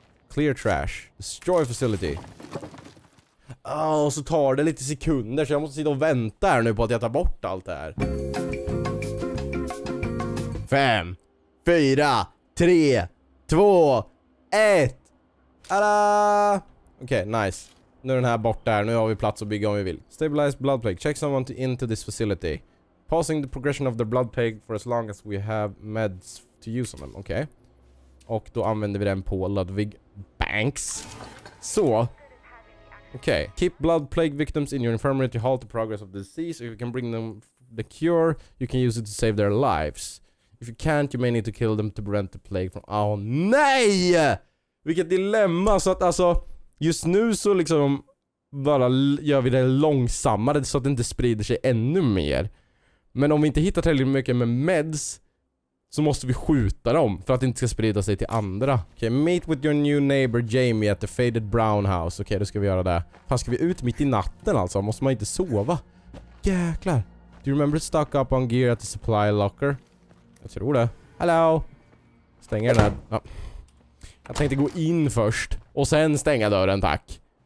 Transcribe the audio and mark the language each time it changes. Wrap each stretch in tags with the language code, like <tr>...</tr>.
<en>Clear trash. Destroy facility.</en> <sv>Åh, oh, så tar det lite sekunder så jag måste sitta och vänta här nu på att jag tar bort allt det här. 5, 4, 3, 2, 1. Tada! Okej, okay, nice. Nu är den här borta här. Nu har vi plats att bygga om vi vill.</sv> <en>Stabilize blood plague. Check someone into this facility. Pausing the progression of the blood plague for as long as we have meds to use on them.</en> <sv>Okej. Okay. Och då använder vi den på Ludwig Banks. Så. Okej. Okay.</sv> <en>Keep blood plague victims in your infirmary to halt the progress of the disease. If you can bring them the cure, you can use it to save their lives. If you can't, you may need to kill them to prevent the plague from...</en> <sv>Åh, nej! Vilket dilemma. Så att alltså, just nu så liksom bara gör vi det långsammare så att det inte sprider sig ännu mer. Men om vi inte hittar tillräckligt mycket med meds så måste vi skjuta dem för att det inte ska sprida sig till andra.</sv> <en>Okej, okay, meet with your new neighbor Jamie at the faded brown house.</en> <sv>Okej, okay, då ska vi göra det. Fan, ska vi ut mitt i natten alltså? Måste man inte sova? Jäklar.</sv> <en>Do you remember to stock up on gear at the supply locker?</en> <sv>Jag tror det. Hello. Stänger den här. Ja. Jag tänkte gå in först och sen stänga dörren, tack.</sv>